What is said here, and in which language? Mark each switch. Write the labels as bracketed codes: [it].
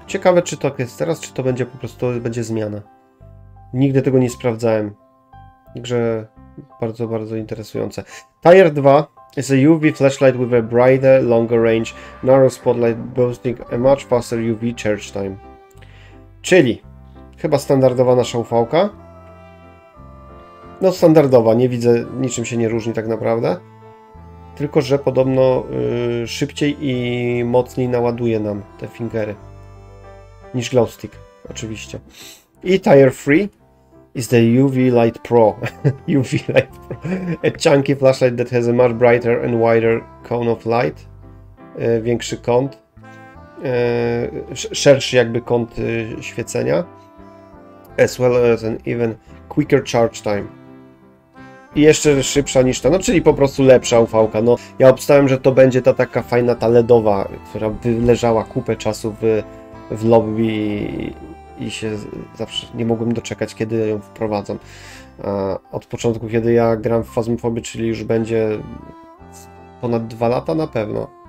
[pl] Ciekawe, czy to jest teraz, czy to będzie po prostu będzie zmiana. Nigdy tego nie sprawdzałem. Także bardzo, bardzo interesujące. [en] Tier 2 is a UV flashlight with a brighter, longer range, narrow spotlight, boasting a much faster UV charge time. [pl] Czyli chyba standardowa nasza UV-ka. No standardowa, nie widzę, niczym się nie różni tak naprawdę. Tylko, że podobno szybciej i mocniej naładuje nam te fingery. Niż glow stick, oczywiście. [en] I Tier 3. Is the UV Light Pro. UV Light Pro. A chunky flashlight that has a much brighter and wider cone of light. [pl] Większy kąt. Szerszy jakby kąt świecenia. [en] As well as an even quicker charge time. [pl] I jeszcze szybsza niż ta. No czyli po prostu lepsza UV-ka. No, ja obstawiam, że to będzie ta taka fajna, ta LED-owa, która wyleżała kupę czasu w lobby. I się zawsze nie mogłem doczekać, kiedy ją wprowadzą. Od początku, kiedy ja gram w Phasmophobia, czyli już będzie ponad 2 lata na pewno.